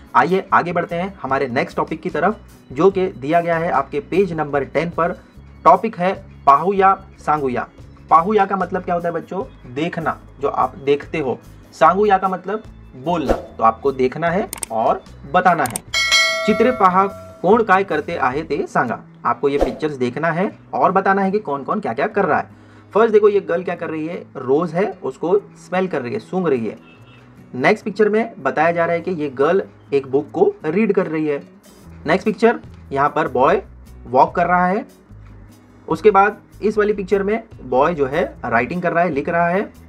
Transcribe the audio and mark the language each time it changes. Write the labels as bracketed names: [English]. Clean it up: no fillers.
[Hindi] आइए आगे बढ़ते हैं हमारे नेक्स्ट टॉपिक की तरफ, जो कि दिया गया है आपके पेज नंबर 10 पर। टॉपिक है [Marathi] पाहुया सांगुया। [Hindi] पाहुया का मतलब क्या होता है बच्चों? देखना, जो आप देखते हो। सांगुया का मतलब बोलना, तो आपको देखना है और बताना है। [Marathi] चित्रे पाहा कौन काय करते आहे ते सांगा। [Hindi] आपको ये पिक्चर्स देखना है और बताना है कि कौन कौन क्या क्या कर रहा है। फर्स्ट देखो ये गर्ल क्या कर रही है, रोज है, उसको स्मेल कर रही है, सूंघ रही है। नेक्स्ट पिक्चर में बताया जा रहा है कि ये गर्ल एक बुक को रीड कर रही है। नेक्स्ट पिक्चर, यहाँ पर बॉय वॉक कर रहा है। उसके बाद इस वाली पिक्चर में बॉय जो है राइटिंग कर रहा है, लिख रहा है।